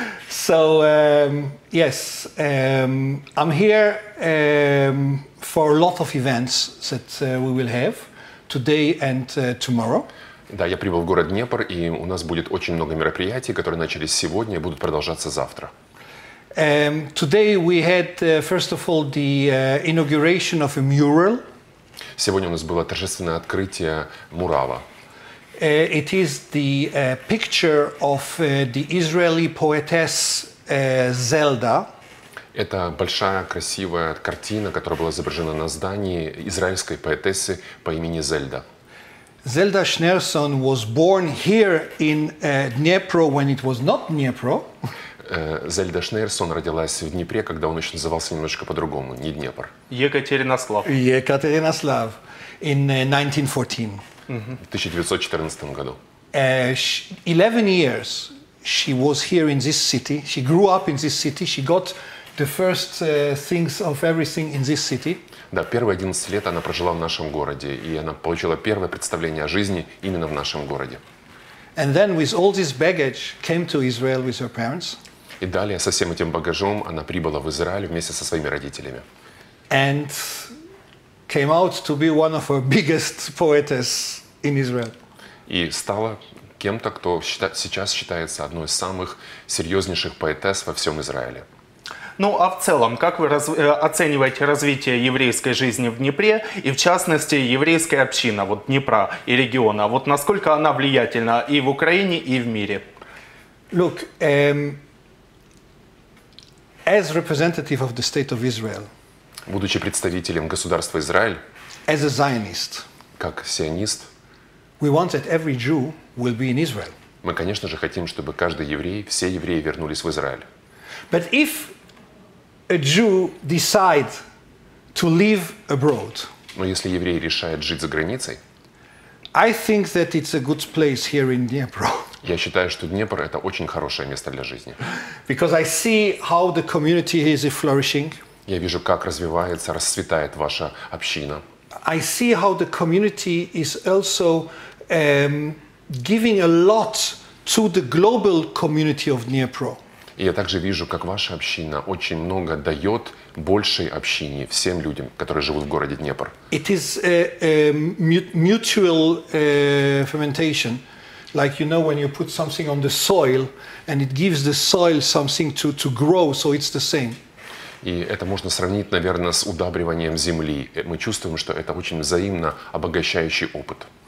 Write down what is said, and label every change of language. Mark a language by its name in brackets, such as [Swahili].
[English] So yes, I'm here for a lot of events that we will have today and tomorrow. [Russian] Да, я прибыл в город Днепр, и у нас будет очень много мероприятий, которые начались сегодня и будут продолжаться завтра. [English] Today we had, first of all, the inauguration of a mural. [Russian] Сегодня у нас было торжественное открытие мурала. [English] It is the picture of the Israeli poetess Zelda. [Russian] Это большая красивая картина, которая была изображена на здании израильской поэтессы по имени Зельда. [English] Zelda Schneerson was born here in Dnipro when it was not Dnipro. [Russian] Зельда Шнейрсон родилась в Днепре, когда он еще назывался немножко по-другому, не Днепр. Екатеринослав. [English] Екатеринослав. In 1914. [Russian] В 1914 году. [English] 11 years she was here in this city. She grew up in this city. She got the first things of everything in this city. [Russian] Да, первые 11 лет она прожила в нашем городе, и она получила первое представление о жизни именно в нашем городе. [English] And then with all this baggage came to Israel with her parents. [Russian] И далее со всем этим багажом она прибыла в Израиль вместе со своими родителями. [English] And came out to be one of our biggest poetess in Israel. [Russian] И стала кем-то, кто сейчас считается одной из самых серьезнейших поэтесс во всем Израиле. Ну, а в целом, как вы оцениваете развитие еврейской жизни в Днепре и, в частности, еврейская община вот Днепра и региона? Вот насколько она влиятельна и в Украине, и в мире? [English] Look, as representative of the state of Israel, [Russian] будучи представителем государства Израиль, [English] as a Zionist, [Russian] как сионист, [English] we want that every Jew will be in Israel. [Russian] Мы, конечно же, хотим, чтобы каждый еврей, все евреи вернулись в Израиль. [English] But if a Jew decides to live abroad, [Russian] но если еврей решает жить за границей, [English] I think that it's a good place here in Dnipro. [Russian] Я считаю, что Днепр – это очень хорошее место для жизни. [English] Because I see how the community is flourishing. [Russian] Я вижу, как развивается, расцветает ваша община. [English] I see how the community is also giving a lot to the global community of Dnipro. [Russian] И я также вижу, как ваша община очень много дает большей общине, всем людям, которые живут в городе Днепр. [English] It is a mutual fermentation. Like, you know, when you put something on the soil, and it gives the soil something to grow, so it's the same. [Russian] И это можно сравнить, наверное, с удобриванием земли. Мы чувствуем, что это очень взаимно обогащающий опыт.